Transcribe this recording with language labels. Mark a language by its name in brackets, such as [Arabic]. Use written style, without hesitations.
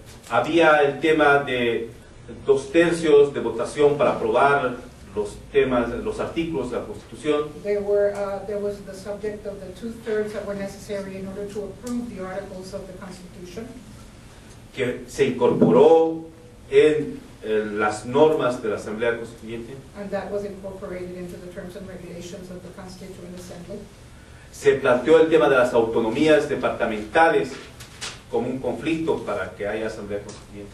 [Spanish] Había el tema de dos tercios de votación para aprobar los temas, los artículos de la Constitución. [English] There was the subject of the two-thirds that were necessary in order to approve the articles of the Constitution. [Spanish] Que se incorporó en las normas de la Asamblea Constituyente. [English] And that was incorporated into the terms and regulations of the Constituent Assembly. [Spanish] Se planteó el tema de las autonomías departamentales como un conflicto para que haya asamblea constituyente.